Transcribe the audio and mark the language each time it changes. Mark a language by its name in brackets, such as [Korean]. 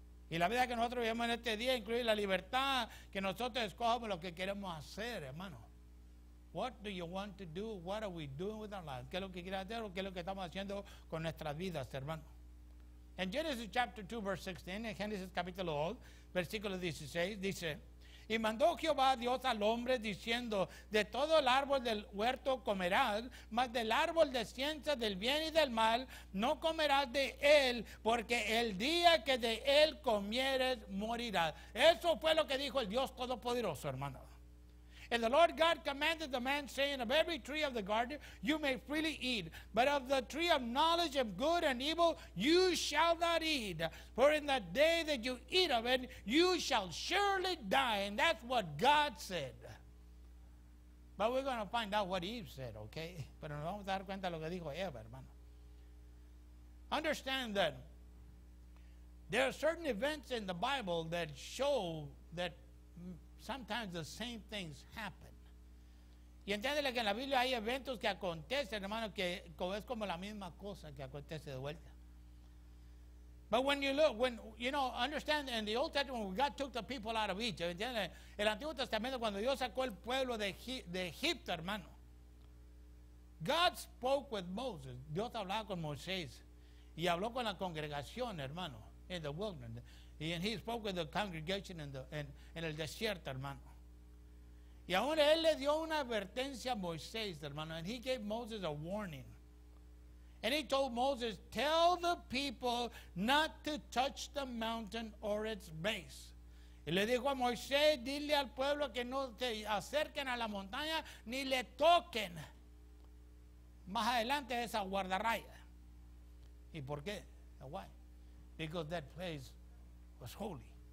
[Spanish] Y la vida que nosotros vivimos en este día incluye la libertad que nosotros escogemos lo que queremos hacer, hermano. [English] What do you want to do? What are we doing with our lives? [Spanish] ¿Qué es lo que quiere hacer o qué es lo que estamos haciendo con nuestras vidas, hermano? [English] In Genesis chapter 2, verse 16, [Spanish] en Génesis capítulo 2, versículo 16, dice, y mandó Jehová Dios al hombre diciendo, de todo el árbol del huerto comerás, mas del árbol de ciencia del bien y del mal no comerás de él, porque el día que de él comieres morirás. Eso fue lo que dijo el Dios Todopoderoso, hermano. [English] And the Lord God commanded the man, saying, of every tree of the garden you may freely eat, but of the tree of knowledge of good and evil you shall not eat. For in the day that you eat of it, you shall surely die. And that's what God said. But we're going to find out what Eve said, okay? [Spanish] Pero nos vamos a dar cuenta de lo que dijo Eva, hermano. [English] Understand that there are certain events in the Bible that show that sometimes the same things happen. [Spanish] Y entiéndele que en la Biblia hay eventos que acontecen, hermano, que es como la misma cosa que acontece de vuelta. [English] But when you look, when you know, understand, in the Old Testament, when God took the people out of Egypt, [Spanish] entiéndele, el Antiguo Testamento, cuando Dios sacó el pueblo de Egipto, hermano, [English] God spoke with Moses. [Spanish] Dios hablaba con Moisés y habló con la congregación, hermano, [English] in the wilderness. And he spoke with the congregation in [Spanish] el desierto, hermano. Y ahora él le dio una advertencia a Moisés, hermano. [English] And he gave Moses a warning. And he told Moses, tell the people not to touch the mountain or its base. [Spanish] Y le dijo a Moisés, dile al pueblo que no te acerquen a la montaña ni le toquen. Más adelante esa guardarraya. ¿Y por qué? [English] Why? Because that place was holy.